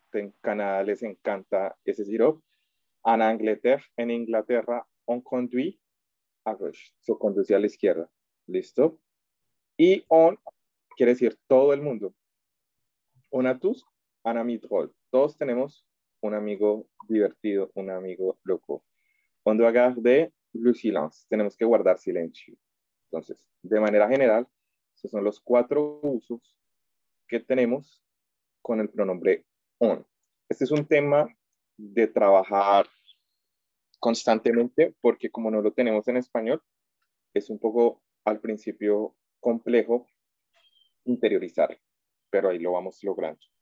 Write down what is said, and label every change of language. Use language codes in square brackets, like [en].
[es] En Canadá les encanta ese sirop. En Inglaterra, [fr] on conduit a gauche. [es] Se conduce a la izquierda. ¿Listo? Y on quiere decir todo el mundo. [fr] On a tous, un ami drôle. [es] Todos tenemos un amigo divertido, un amigo loco. [fr] On doit garder le silence. [es] Tenemos que guardar silencio. Entonces, de manera general, esos son los cuatro usos que tenemos con el pronombre on. Este es un tema de trabajar constantemente porque como no lo tenemos en español, es un poco al principio complejo interiorizar, pero ahí lo vamos logrando.